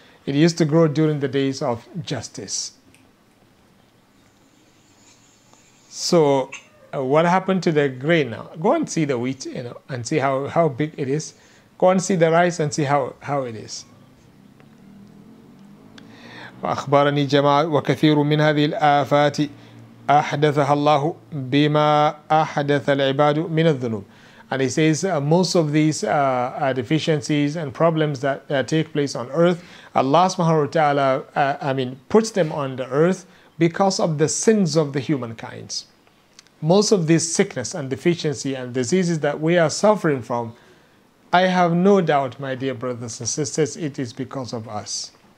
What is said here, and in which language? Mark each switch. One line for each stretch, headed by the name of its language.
English: It used to grow during the days of justice. So, what happened to the grain now? Go and see the wheat, and see how big it is. Go and see the rice and see how it is.
Arabic: وأخبرني جماعة وكثير من هذه الآفات أحدثها الله بما أحدث العباد من الذنوب.
English: And he says most of these deficiencies and problems that take place on earth, Allah subhanahu wa ta'ala puts them on the earth because of the sins of the humankind. Most of this sickness and deficiency and diseases that we are suffering from, I have no doubt, my dear brothers and sisters, it is because of us.